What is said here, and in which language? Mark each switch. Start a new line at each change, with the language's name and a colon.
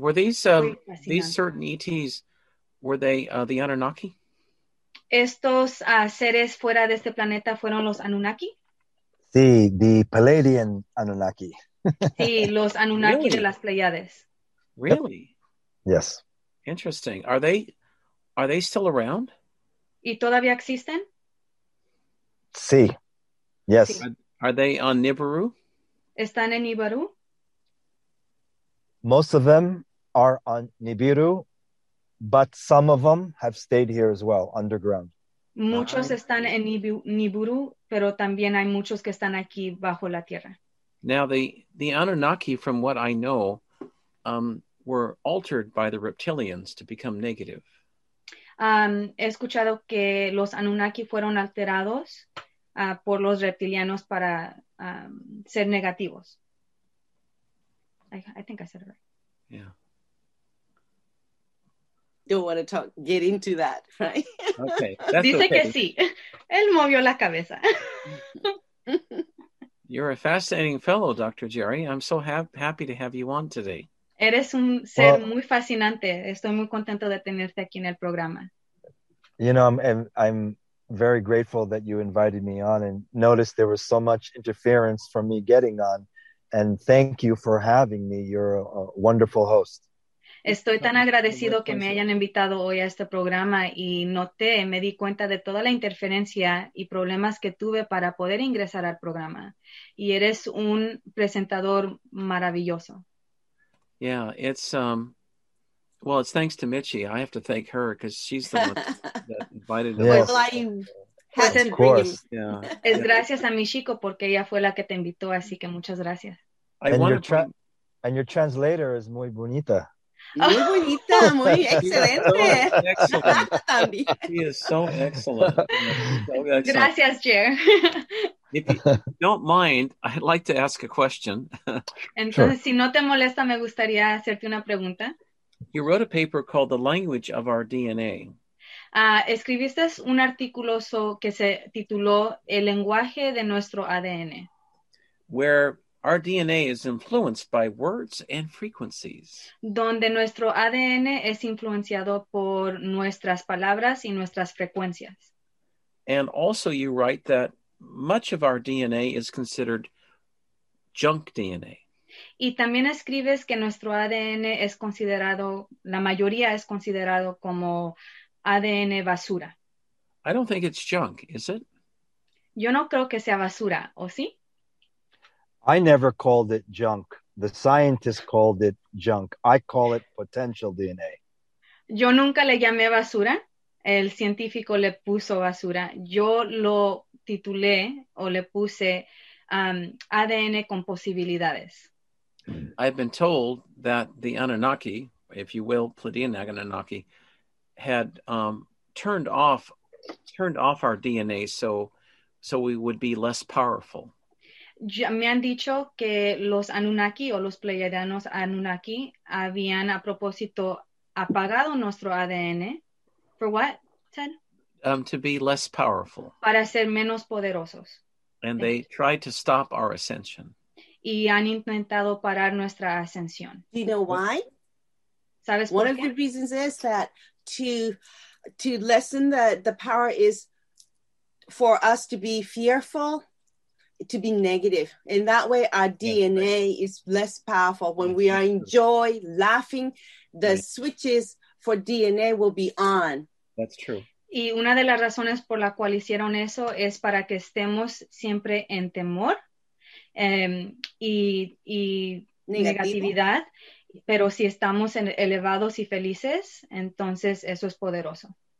English: Were these certain ETs, were they the Anunnaki?
Spanish: Estos seres fuera de este planeta fueron los Anunnaki? Sí,
English: the Palladian Anunnaki.
Spanish: Sí, los Anunnaki
English: really?
Spanish: De las Pleiades.
English: Really? Yes. Interesting. Are they still around?
Spanish: ¿Y todavía existen? Sí.
English: Yes.
Spanish: Sí.
English: Are they on Nibiru?
Spanish: ¿Están en Nibiru?
English: Most of them are on Nibiru. But some of them have stayed here as well, underground.
Spanish: Muchos están en Nibiru, pero también hay muchos que están aquí bajo la tierra.
English: Now, the Anunnaki, from what I know, were altered by the reptilians to become negative.
Spanish: He escuchado que los Anunnaki fueron alterados por los reptilianos para ser negativos.
English: I think I said it right. Yeah. Don't want to talk, get into that, right? Okay.
Spanish: Dice
English: okay.
Spanish: Que sí. Él movió la cabeza.
English: You're a fascinating fellow, Dr. Jerry. I'm so happy to have you on today.
Spanish: Eres un ser muy fascinante. Estoy muy contento de tenerte aquí en el programa.
English: You know, I'm very grateful that you invited me on and noticed there was so much interference from me getting on. And thank you for having me. You're a wonderful host.
Spanish: Estoy tan agradecido que me hayan invitado hoy a este programa y noté, me di cuenta de toda la interferencia y problemas que tuve para poder ingresar al programa. Y eres un presentador maravilloso.
English: Yeah, it's thanks to Michi. I have to thank her because she's the one that invited me. Well, I had of course. Yeah.
Spanish: Es gracias a Michiko porque ella fue la que te invitó, así que muchas gracias.
English: And your translator is
Spanish: muy bonita. Muy bonita, muy excelente.
English: She is so excellent.
Spanish: Gracias, Jer.
English: If you don't mind, I'd like to ask a question.
Spanish: Entonces,
English: sure.
Spanish: Si no te molesta, me gustaría hacerte una pregunta.
English: You wrote a paper called The Language of Our DNA.
Spanish: Escribiste un artículo que se tituló El lenguaje de nuestro ADN.
English: Where our DNA is influenced by words and frequencies.
Spanish: Donde nuestro ADN es influenciado por nuestras palabras y nuestras frecuencias.
English: And also you write that much of our DNA is considered junk DNA.
Spanish: Y también escribes que nuestro ADN es considerado, la mayoría es considerado como ADN basura.
English: I don't think it's junk, is it?
Spanish: Yo no creo que sea basura, ¿o sí?
English: I never called it junk. The scientists called it junk. I call it potential DNA.
Spanish: Yo nunca le llamé basura. El científico le puso basura. Yo lo titulé o le puse ADN con posibilidades.
English: I've been told that the Anunnaki, if you will, Pleiadian Anunnaki, had turned off our DNA so we would be less powerful.
Spanish: Me han dicho que los Anunnaki o los Pleiadianos Anunnaki habían a propósito apagado nuestro ADN.
English: For what, Ted? To be less powerful.
Spanish: Para ser menos poderosos.
English: And they tried to stop our ascension.
Spanish: Y han intentado parar nuestra ascensión.
English: Do you know why?
Spanish: ¿Sabes por qué?
English: One of the reasons is that to lessen the power is for us to be fearful, to be negative. In that way, our DNA is less powerful. When we are in joy, laughing, the switches for DNA will be on. That's true.
Spanish: Y una de las razones por la cual hicieron eso es para que estemos siempre en temor y negatividad. Pero si estamos en elevados y felices, entonces eso es poderoso.